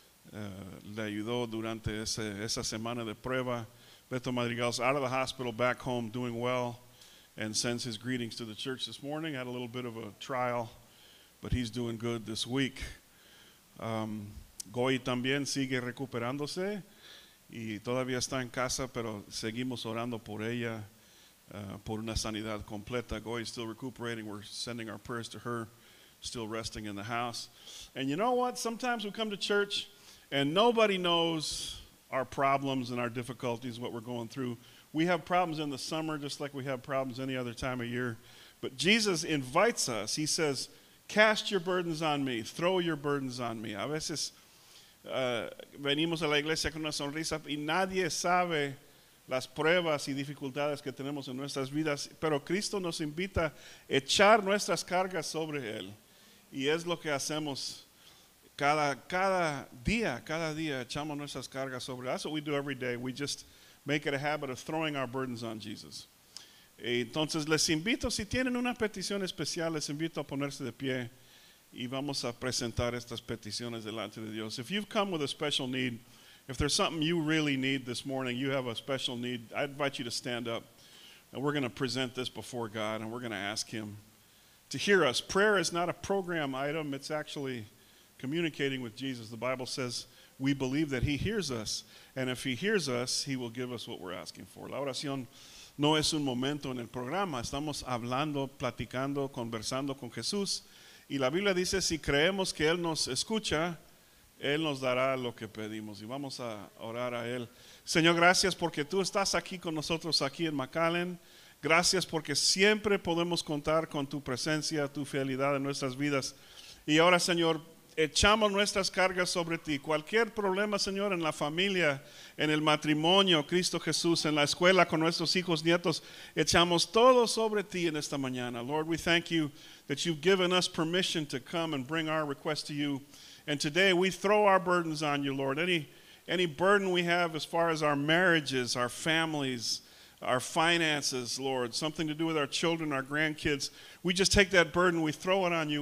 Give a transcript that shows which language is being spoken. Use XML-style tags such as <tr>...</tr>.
<es>Dios le ayudó durante esa semana de prueba.</es> <en>Beto Madrigal's out of the hospital, back home, doing well, and sends his greetings to the church this morning. Had a little bit of a trial, but he's doing good this week.</en> <es>Goy también sigue recuperándose, y todavía está en casa, pero seguimos orando por ella, por una sanidad completa.</es> <en>Goy is still recuperating. We're sending our prayers to her, still resting in the house. And you know what? Sometimes we come to church, and nobody knows our problems and our difficulties, what we're going through. We have problems in the summer, just like we have problems any other time of year. But Jesus invites us. He says, cast your burdens on me. Throw your burdens on me.</en> <es>A veces venimos a la iglesia con una sonrisa y nadie sabe las pruebas y dificultades que tenemos en nuestras vidas. Pero Cristo nos invita a echar nuestras cargas sobre Él. Y es lo que hacemos Cada día echamos nuestras cargas sobre.</es> <en>That's what we do every day. We just make it a habit of throwing our burdens on Jesus.</en> <es>Entonces les invito, si tienen una petición especial, les invito a ponerse de pie y vamos a presentar estas peticiones delante de Dios.</es> <en>If you've come with a special need, if there's something you really need this morning, you have a special need, I invite you to stand up and we're going to present this before God and we're going to ask Him to hear us. Prayer is not a program item, it's actually communicating with Jesus. The Bible says we believe that He hears us, and if He hears us, He will give us what we're asking for.</en> <es>La oración no es un momento en el programa. Estamos hablando, platicando, conversando con Jesús, y la Biblia dice si creemos que Él nos escucha, Él nos dará lo que pedimos. Y vamos a orar a Él. Señor, gracias porque Tú estás aquí con nosotros aquí en McAllen. Gracias porque siempre podemos contar con Tu presencia, Tu fidelidad en nuestras vidas. Y ahora, Señor, echamos nuestras cargas sobre Ti. Cualquier problema, Señor, en la familia, en el matrimonio, Cristo Jesús, en la escuela, con nuestros hijos, nietos, echamos todo sobre Ti en esta mañana.</es> <en>Lord, we thank You that You've given us permission to come and bring our request to You. And today we throw our burdens on You, Lord. Any burden we have as far as our marriages, our families, our finances, Lord, something to do with our children, our grandkids, we just take that burden, we throw it on You.</en>